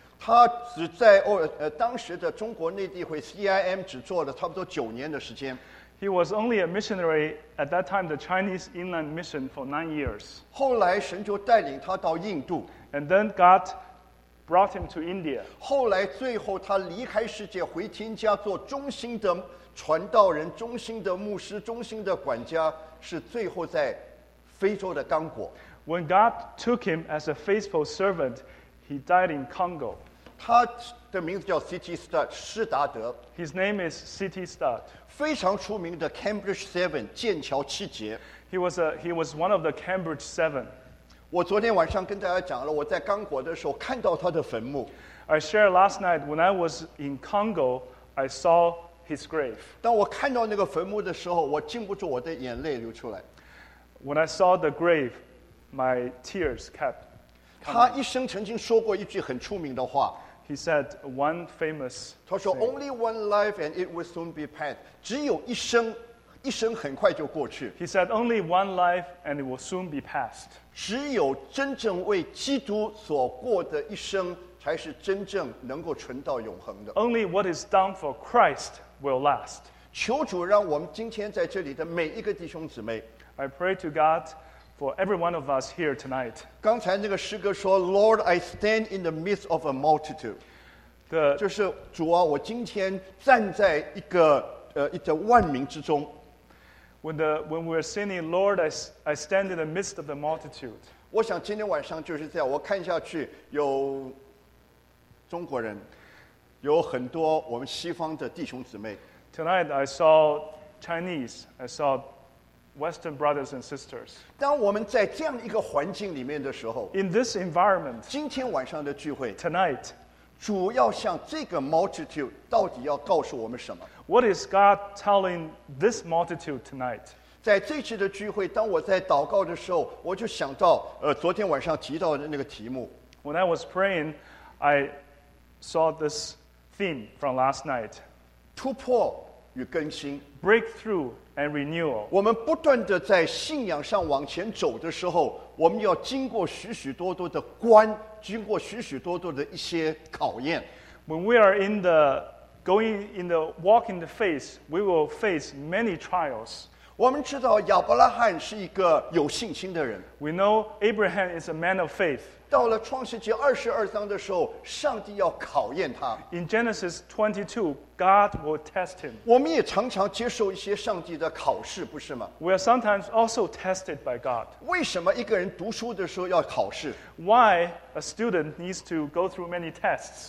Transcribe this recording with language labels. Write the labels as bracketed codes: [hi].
[zh] 他只在当时的中国内地会CIM只做了差不多9年的时间。 [en] He was only a missionary at that time, the Chinese Inland Mission, for 9 years. [zh] 后来神就带领他到印度。 [en] And then God brought him to India. [zh] 后来最后他离开世界回天家做忠心的传道人、忠心的牧师、忠心的管家，是最后在非洲的刚果。 [en] When God took him as a faithful servant, he died in Congo. [zh] 他的名字叫 C.T. Studd 施达德。 [en] His name is C.T. Studd. [zh] 非常出名的 Cambridge Seven 剑桥七杰。 [en] He was one of the Cambridge Seven. [zh] 我昨天晚上跟大家讲了，我在刚果的时候看到他的坟墓。 [en] I shared last night when I was in Congo, I saw his grave. [zh] 当我看到那个坟墓的时候，我禁不住我的眼泪流出来。 [en] When I saw the grave, my tears kept. [zh] 他一生曾经说过一句很出名的话。 [en] He said one famous. [zh] 他说 [en] ，Only one life, and it will soon be passed. [zh] 只有一生，一生很快就过去。 [en] He said only one life, and it will soon be passed. [zh] 只有真正为基督所过的一生，才是真正能够存到永恒的。 [en] Only what is done for Christ will last. [zh] 求主让我们今天在这里的每一个弟兄姊妹。 [en] I pray to God for every one of us here tonight. [zh] 刚才那个诗歌说 [en] ，Lord, I stand in the midst of a multitude. [zh] 就是主啊，我今天站在一个万民之中。 [en] When we're singing, Lord, I stand in the midst of the multitude. [zh] 我想今天晚上就是这样。我看下去有中国人，有很多我们西方的弟兄姊妹。 [en] Tonight I saw Chinese. I saw Western brothers and sisters. [zh] 当我们在这样一个环境里面的时候 [en] ，In this environment， [zh] 今天晚上的聚会 [en] ，Tonight， [zh] 主要向这个 multitude 到底要告诉我们什么 [en] ？What is God telling this multitude tonight？ [zh] 在这次的聚会，当我在祷告的时候，我就想到昨天晚上提到的那个题目。 [en] When I was praying, I saw this theme from last night. [zh] 突破与更新 [en] ，Breakthrough。 And renewal. [zh] 我们不断地在信仰上往前走的时候，我们要经过许许多多的关，经过许许多多的一些考验。 [en] When we are in the going in the walking the faith, we will face many trials. [zh] 我们知道亚伯拉罕是一个有信心的人。 [en] We know Abraham is a man of faith. [zh] 到了创世纪22章的时候，上帝要考验他。 [en] In Genesis 22. God will test him. [zh] 我们也常常接受一些上帝的考试，不是吗？ [en] We are sometimes also tested by God. [zh] 为什么一个人读书的时候要考试？ [en] Why a student needs to go through many tests?